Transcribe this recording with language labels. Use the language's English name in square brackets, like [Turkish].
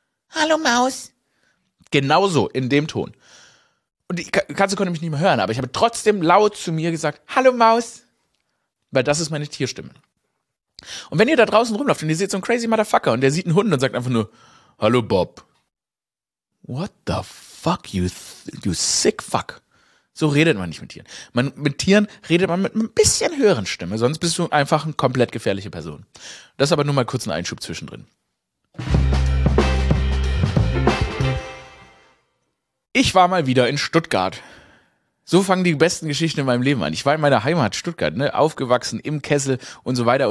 [German] Hallo Maus. Genauso, in dem Ton. Und die Katze konnte mich nicht mehr hören, aber ich habe trotzdem laut zu mir gesagt, Hallo Maus. Weil das ist meine Tierstimme. Und wenn ihr da draußen rumlauft und ihr seht so einen [English] crazy Motherfucker [German] und der sieht einen Hund und sagt einfach nur, Hallo Bob. [English] What the fuck, you sick fuck. [German] So redet man nicht mit Tieren. Mit Tieren redet man mit ein bisschen höheren Stimme, sonst bist du einfach eine komplett gefährliche Person. Das aber nur mal kurz ein Einschub zwischendrin. Ich war mal wieder in Stuttgart. So fangen die besten Geschichten in meinem Leben an. Ich war in meiner Heimat Stuttgart, ne, aufgewachsen im Kessel und so weiter.